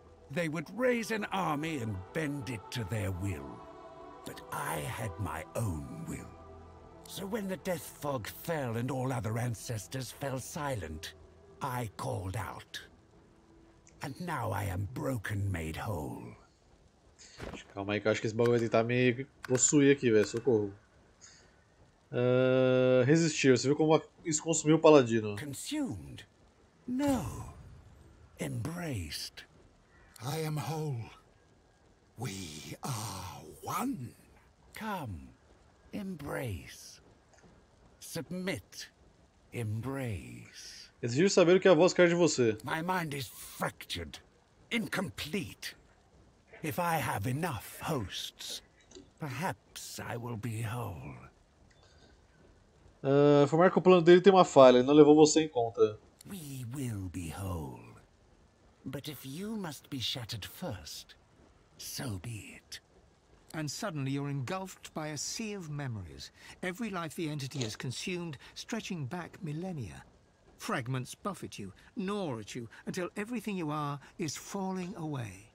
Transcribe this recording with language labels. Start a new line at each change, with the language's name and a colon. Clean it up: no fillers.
English: They would raise an army and bend it to their will. But I had my own will. So when the death fog fell and all other ancestors fell silent, I called out. And now I am broken made whole.
Portuguese: Calma aí que eu acho que esse bagulho vai tentar me possuir aqui, velho. Socorro. Resistir. Você viu como isso consumiu o paladino?
English: Consumed? No. Embraced. I am whole. We are one. Come, embrace. Submit. Embrace.
Portuguese: Exigir saber o que a voz quer de você.
English: My mind is fractured, incomplete. If I have enough hosts, perhaps I will be whole.
Portuguese: Informar que o plano dele tem uma falha, ele não levou você em conta.
English: We will be whole. But if you must be shattered first, so be it. And suddenly you're engulfed by a sea of memories. Every life the entity has consumed, stretching back millennia. Fragments buffet you, gnaw at you, until everything you are is falling away.